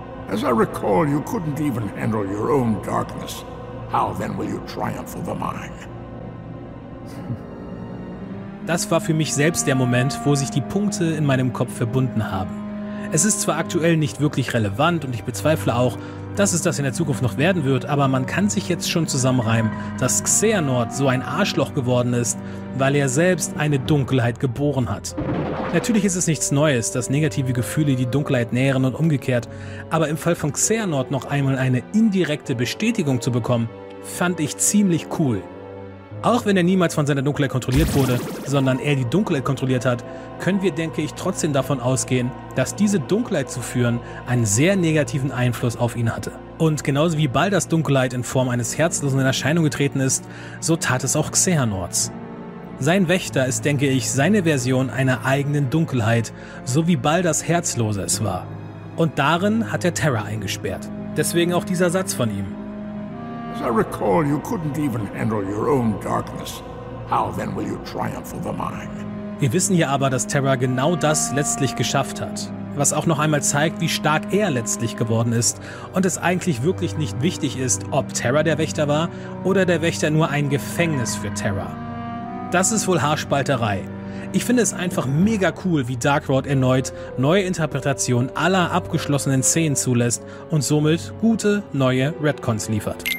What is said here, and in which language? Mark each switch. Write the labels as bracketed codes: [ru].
[en] As I recall, you couldn't even handle your own darkness. How then will you triumph over mine? [de] Das war für mich selbst der Moment, wo sich die Punkte in meinem Kopf verbunden haben. Es ist zwar aktuell nicht wirklich relevant und ich bezweifle auch, dass es das in der Zukunft noch werden wird, aber man kann sich jetzt schon zusammenreimen, dass Xehanort so ein Arschloch geworden ist, weil er selbst eine Dunkelheit geboren hat. Natürlich ist es nichts Neues, dass negative Gefühle die Dunkelheit nähren und umgekehrt, aber im Fall von Xehanort noch einmal eine indirekte Bestätigung zu bekommen, fand ich ziemlich cool. Auch wenn er niemals von seiner Dunkelheit kontrolliert wurde, sondern er die Dunkelheit kontrolliert hat, können wir, denke ich, trotzdem davon ausgehen, dass diese Dunkelheit zu führen einen sehr negativen Einfluss auf ihn hatte. Und genauso wie Baldas Dunkelheit in Form eines Herzlosen in Erscheinung getreten ist, so tat es auch Xehanorts. Sein Wächter ist, denke ich, seine Version einer eigenen Dunkelheit, so wie Baldas Herzlose es war. Und darin hat er Terra eingesperrt. Deswegen auch dieser Satz von ihm. [en] As I recall, you couldn't even handle your own darkness. How then will you triumph over mine? [de] Wir wissen hier aber, dass Terra genau das letztlich geschafft hat. Was auch noch einmal zeigt, wie stark er letztlich geworden ist und es eigentlich wirklich nicht wichtig ist, ob Terra der Wächter war oder der Wächter nur ein Gefängnis für Terra. Das ist wohl Haarspalterei. Ich finde es einfach mega cool, wie Dark Lord erneut neue Interpretationen aller abgeschlossenen Szenen zulässt und somit gute, neue Retcons liefert.